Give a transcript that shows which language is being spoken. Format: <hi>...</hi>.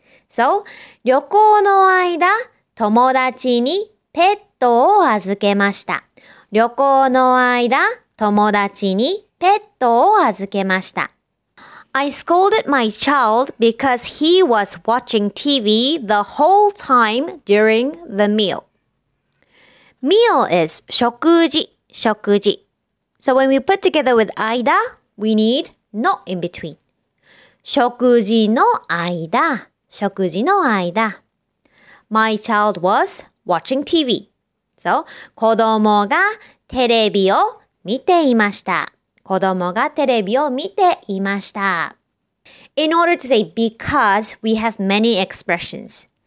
<ja>So, 旅行の間、友達にペットを預けました。旅行の間、友達にペットを預けました。</ja> <en>I scolded my child because he was watching TV the whole time during the meal. Meal is 食事、</en> <ja>食事。</ja> <en>So when we put together with 間, we need の in between.</en> <ja>食事の間、食事の間。</ja> <en>My child was watching TV. So</en> <ja>子供がテレビを見ていました。子供がテレビを見ていました。</ja> <en>In order to say because, we have many expressions.</en>